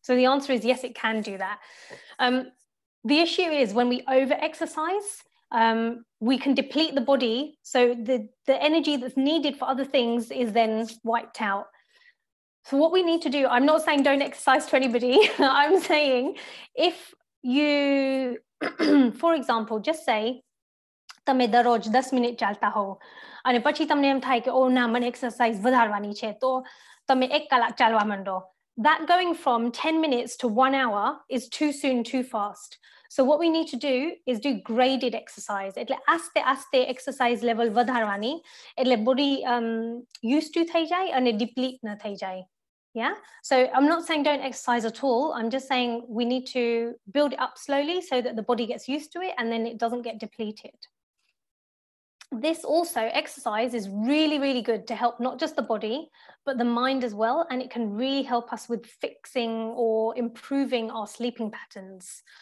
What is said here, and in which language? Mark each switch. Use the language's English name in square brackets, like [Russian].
[English] So the answer is yes, it can do that. The issue is when we over-exercise, we can deplete the body. So the energy that's needed for other things is then wiped out. So what we need to do, I'm not saying don't exercise to anybody. I'm saying if you, for example, just say, [Gujarati] તમે દરરોજ 10 minute ચાલતા હો અને પછી તમને એમ થાય કે ઓ ના મને એક્સરસાઇઝ વધારવાની છે તો તમે એક કલાક ચાલવા માંડો. [English] That going from 10 minutes to 1 hour is too soon, too fast. So what we need to do is do graded exercise. [Gujarati] એટલે આસ્તે આસ્તે એક્સરસાઇઝ લેવલ વધારવાની, એટલે બોડી યુઝ ટુ થઈ જાય અને ડિપ્લીટ ન થઈ જાય. [English] Yeah, so I'm not saying don't exercise at all. I'm just saying we need to build it up slowly so that the body gets used to it and then it doesn't get depleted. This also, exercise is really, really good to help not just the body, but the mind as well. And it can really help us with fixing or improving our sleeping patterns.